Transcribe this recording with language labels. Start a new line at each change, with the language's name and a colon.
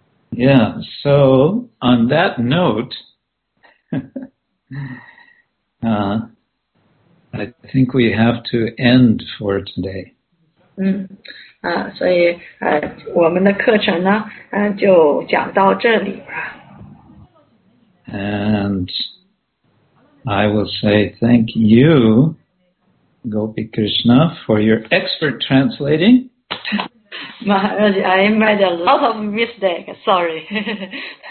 English: Yeah, so on that note, I think we have to end for today.
Chinese: 所以我们的课程呢，就讲到这里吧。
English: And I will say thank you, Gopi Krishna, for your expert translating. Maharaj, I made a lot of mistakes, sorry.